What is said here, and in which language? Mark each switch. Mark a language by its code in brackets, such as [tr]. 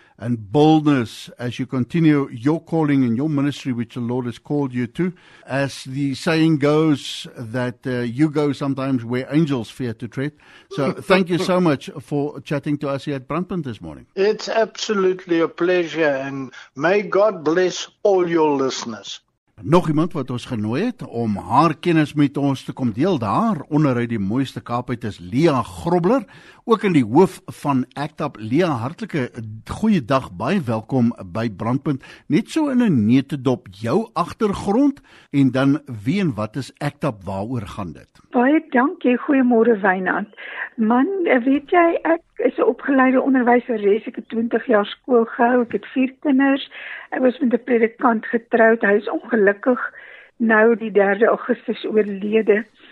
[en] and boldness as you continue your calling and your ministry, which the Lord has called you to. As the saying goes, that you go sometimes where angels fear to tread. So thank you so much for chatting to us here at Brandpunt this morning. It's absolutely a pleasure, and may God bless all your listeners. [af] Nog iemand wat ons genooi het om haar kennis met ons te kom deel daar onder uit die mooiste Kaapuit is Lea Grobler, ook in die hoof van ACT UP. Lea, hartelike goeie dag, baie welkom by Brandpunt. Net so in 'n netedop jou agtergrond en dan wie en wat is ACT UP, waaroor gaan dit? Baie dankie, goeiemôre Wynand. Man, weet jy, ek is 'n opgeleide onderwyseres, ek het 20 jaar skool gehou, ek het 4 kinders, ek was met 'n predikant getroud, hy is ongelukkig nou die 3 Augustus oorlede.